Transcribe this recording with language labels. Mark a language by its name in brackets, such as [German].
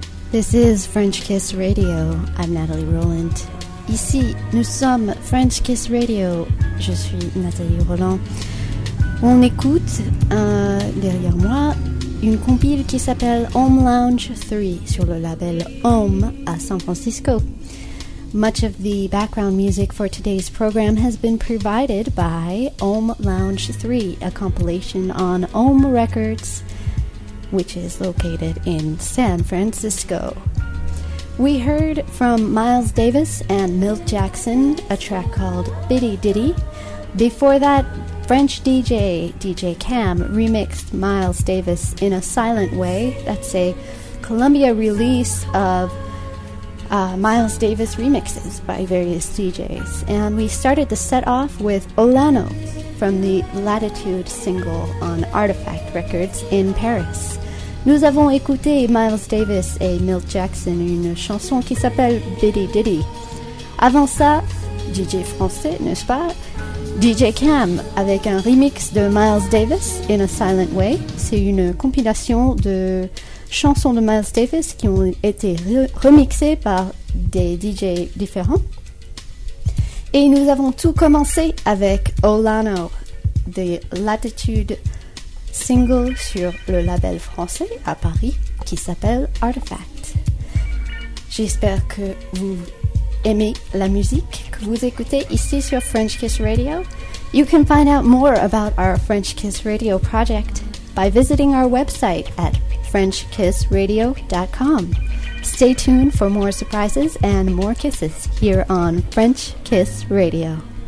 [English] This is French Kiss Radio. I'm Nathalie Roland. [French] Ici, nous sommes French Kiss Radio. Je suis Nathalie Roland. On écoute derrière moi une compile qui s'appelle Home Lounge 3 sur le label Home à San Francisco. [English] Much of the background music for today's program has been provided by Home Lounge 3, a compilation on Home Records, which is located in San Francisco. We heard from Miles Davis and Milt Jackson a track called Biddy Diddy. Before that, French DJ, DJ Cam, remixed Miles Davis in a silent way. That's a Columbia release of Miles Davis remixes by various DJs. And we started the set off with Olano from the Latitude single on Artifact Records in Paris. [French] Nous avons écouté Miles Davis et Milt Jackson une chanson qui s'appelle Biddy Diddy. Avant ça, DJ français, n'est-ce pas? DJ Cam avec un remix de Miles Davis in a silent way. C'est une compilation de chansons de Miles Davis qui ont été remixées par des DJ différents. Et nous avons tout commencé avec Olano, The Latitude single sur le label français à Paris qui s'appelle Artifact. J'espère que vous aimez la musique que vous écoutez ici sur French Kiss Radio. [English] You can find out more about our French Kiss Radio project by visiting our website at FrenchKissRadio.com. Stay tuned for more surprises and more kisses here on French Kiss Radio.